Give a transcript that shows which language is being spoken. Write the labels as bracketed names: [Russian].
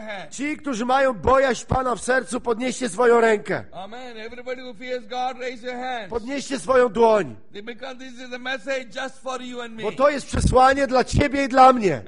[Polish] Ci, którzy mają bojaźń Pana w sercu, podnieście swoją rękę. [English] Amen. Everybody who fears God, raise your hands. [Polish] Podnieście swoją dłoń. [English] Because this is a message just for you and me. [Polish] Bo to jest przesłanie dla Ciebie i dla mnie.